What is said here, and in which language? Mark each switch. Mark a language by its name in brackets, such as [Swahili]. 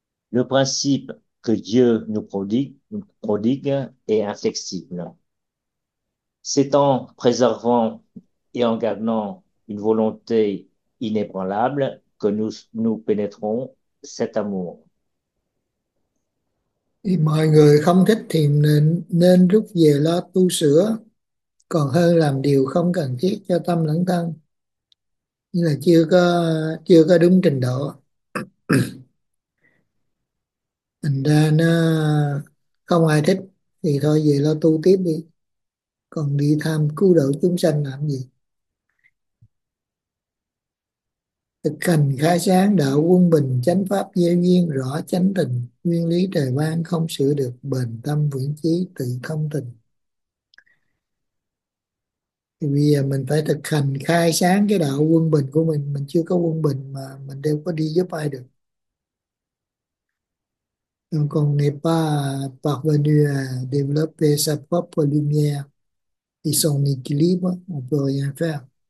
[French] Le principe que Dieu nous prodigue est inflexible. C'est en préservant et en gardant une volonté inébranlable que nous pénétrons cet amour. [Vietnamese] Mọi người không thích thì nên rút về lo tu sửa, còn hơn làm điều không cần thiết cho tâm lẫn thân, như là chưa có đúng trình độ. Thành ra nó không ai thích thì thôi về lo tu tiếp đi, còn đi tham cứu độ chúng sanh làm gì. Thực hành khai sáng đạo quân bình, chánh pháp gieo duyên rõ chánh tình, nguyên lý trời ban không sửa được, bền tâm vững chí tự thông tình. Thì bây giờ mình phải thực hành khai sáng cái đạo quân bình của mình chưa có quân bình mà mình đâu có đi giúp ai được. [French] Donc on n'est pas parvenu à développer sa propre lumière et son équilibre, on peut rien faire.